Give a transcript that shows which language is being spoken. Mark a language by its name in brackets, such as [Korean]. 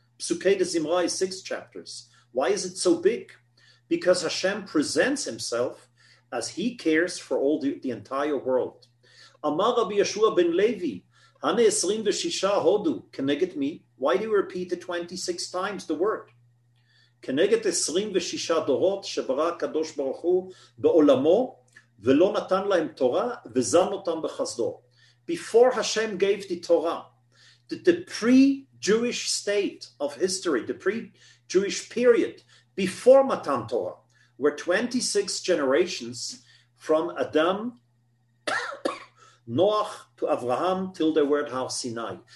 [English] Psukei DeZimra is 6 chapters. Why is it so big? Because Hashem presents himself as he cares for all the entire world. [Hebrew] Amar Rabbi Yeshua ben Levi, Hane 26 hodu, keneged mi? [English] Why do you repeat it 26 times, the word? [Hebrew] כנגד 26 דורות שברא הקדוש ברוך הוא בעולמו ולא נתן להם תורה וזן אותם בחסדו. [English] Before Hashem gave the Torah, the pre-Jewish state of history, the pre-Jewish period, before Matan Torah, were 26 generations from Adam, Noach to Abraham till they were at Har Sinai.